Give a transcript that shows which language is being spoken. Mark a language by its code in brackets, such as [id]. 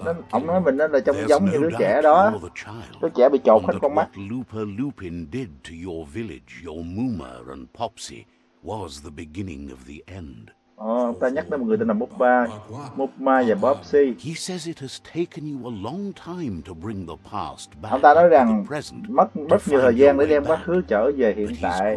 [vi] Ông nói mình là trông giống như đứa trẻ đó. Đứa trẻ bị chột hết con mắt. [en] Looper Lupin did to your village, your Mooma and Popsy was the beginning of the end. [vi] Ông ta nhắc đến một người tên là Mooma, Mooma và Popsy. [en] He says it has taken you a long time to bring the past back. [vi] Ông ta nói rằng mất nhiều thời gian để đem quá khứ trở về hiện tại.